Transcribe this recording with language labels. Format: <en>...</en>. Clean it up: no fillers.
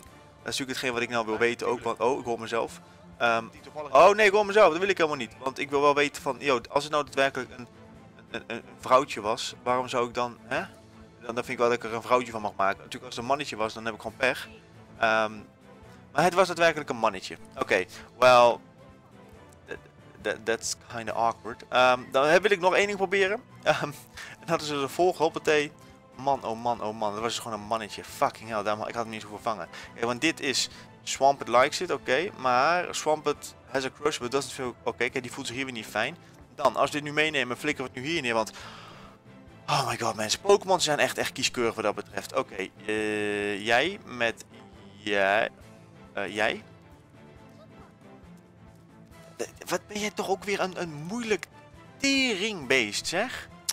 <nl>Dat is natuurlijk hetgeen wat ik nou wil weten ook. Want, oh, ik hoor mezelf. Ik hoor mezelf, dat wil ik helemaal niet. Want ik wil wel weten van, joh, als het nou daadwerkelijk een vrouwtje was, waarom zou ik dan, hè? Dan vind ik wel dat ik er een vrouwtje van mag maken. Natuurlijk, als het een mannetje was, dan heb ik gewoon pech. Maar het was daadwerkelijk een mannetje.</nl> <en>Oké, well, that's kind of awkward.</en> <nl>Dan wil ik nog één ding proberen. En dat is dus de volgende, hoppatee. Man, oh man, oh man, dat was dus gewoon een mannetje.</nl> <en>Fucking hell,</en> <nl>daar, ik had hem niet zo vervangen. Okay, want dit is...</nl> <en>Swampert likes it,</en> <nl>oké. Okay. Maar</nl> <en>Swampert has a crush, but doesn't feel...</en> <nl>Oké, okay. Die voelt zich hier weer niet fijn. Dan, als we dit nu meenemen, flikken we het nu hier neer, want...</nl> <en>Oh my god,</en> <nl>mensen. Pokémon zijn echt kieskeurig wat dat betreft. Oké, okay. Jij met... Jij? Wat ben jij toch ook weer een moeilijk teringbeest, zeg?</nl>